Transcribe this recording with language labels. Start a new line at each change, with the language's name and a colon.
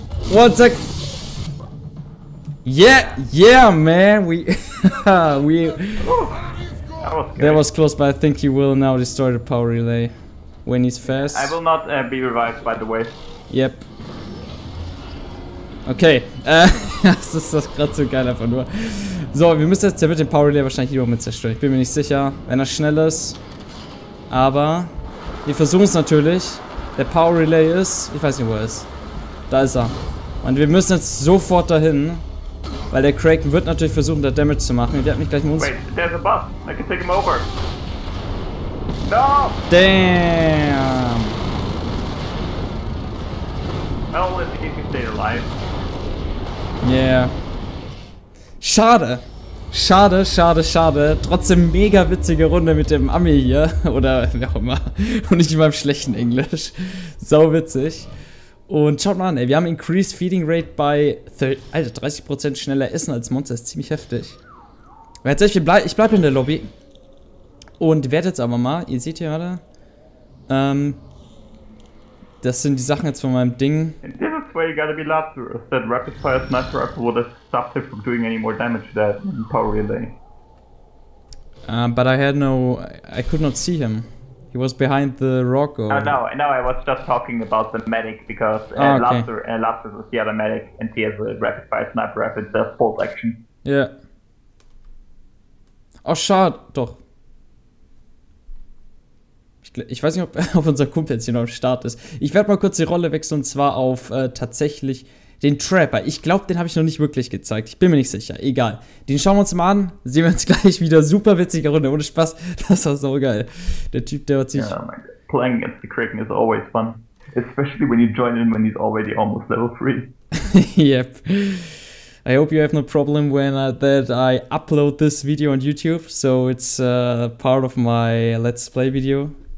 English: 1 sec. Yeah, yeah, man, we... we... That was close, but I think he will now destroy the power relay. When he's fast. I will not be revived, by the way. Yep. Okay.
German: Das ist das gerade so geil, einfach nur. So, wir müssen jetzt... Der wird den Power Relay wahrscheinlich hier mit zerstören. Ich bin mir nicht sicher, wenn er schnell ist. Aber... Wir versuchen es natürlich. Der Power Relay ist... Ich weiß nicht, wo er ist. Da ist er. Und wir müssen jetzt sofort dahin. Weil der Kraken wird natürlich versuchen, da Damage zu machen. Der hat mich gleich
English: Wait, there's a buff. I can take him over. No! Damn! Well, if he can stay alive.
German: Yeah. Schade. Schade, schade, schade. Trotzdem mega witzige Runde mit dem Ami hier. Oder wer auch immer. Und nicht in meinem schlechten Englisch. Sau witzig. Und schaut mal an, ey, wir haben Increased Feeding Rate bei 30% schneller essen als Monster, ist ziemlich heftig. Ich bleib in der Lobby und werde jetzt aber mal, ihr seht hier gerade, das sind die Sachen jetzt von meinem Ding.
English: And this is where you gotta be lapsed, that rapid fire sniper rifle would have stopped him from doing any more damage to that power relay. But I had no, I could not see him. He was behind the rock, or...? No, I was just talking about the medic, because Lapsus was the other medic, and he has a rapid fire sniper rifle, the full action.
German: Yeah. Oh, schade, doch. Ich weiß nicht, ob unser Kumpel jetzt hier noch am Start ist. Ich werde mal kurz die Rolle wechseln, und zwar auf tatsächlich den Trapper. Ich glaube, den habe ich noch nicht wirklich gezeigt. Ich bin mir nicht sicher. Egal. Den schauen wir uns mal an. Sehen wir uns gleich wieder. Super witzige Runde. Ohne Spaß. Das war so geil. Der Typ, der hat sich...
English: Yeah, my God. Playing against the Kraken is always fun. Especially when you join in when he's already almost level 3. Yep. I hope you have no problem when that I upload this video on YouTube. So it's part of my Let's Play video.